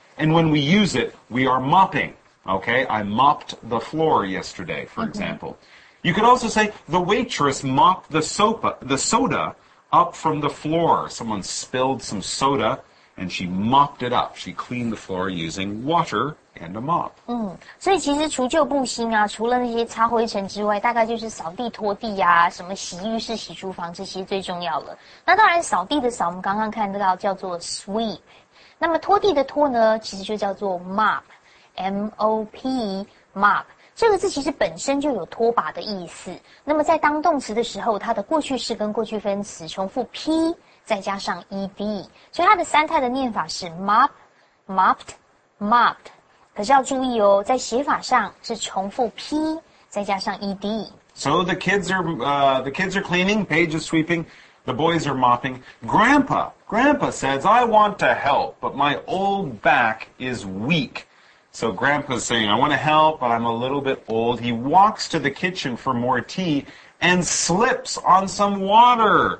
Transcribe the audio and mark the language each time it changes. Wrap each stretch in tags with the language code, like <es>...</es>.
<en>And when we use it, we are mopping. Okay, I mopped the floor yesterday, for example. You could also say, the waitress mopped the soda up from the floor. Someone spilled some soda and she mopped it up. She cleaned the floor using water. And a mop.</en> <zh>所以其实除旧布新啊，除了那些擦灰尘之外，大概就是扫地拖地啊，什么洗浴室洗厨房，这些最重要了。那当然扫地的扫我们刚刚看到叫做 sweep， 那么拖地的拖呢，其实就叫做 mop， M-O-P， mop。这个字其实本身就有拖把的意思，那么在当动词的时候，它的过去式跟过去分词重复 p 再加上 ed， 所以它的三态的念法是 mop， mopped， mopped。可是要注意哦，在写法上是重复 p 再加上 ed。</zh> <en>So the kids are cleaning. Paige is sweeping. The boys are mopping. Grandpa says, "I want to help, but my old back is weak." So Grandpa's saying, "I want to help, but I'm a little bit old." He walks to the kitchen for more tea and slips on some water.</en>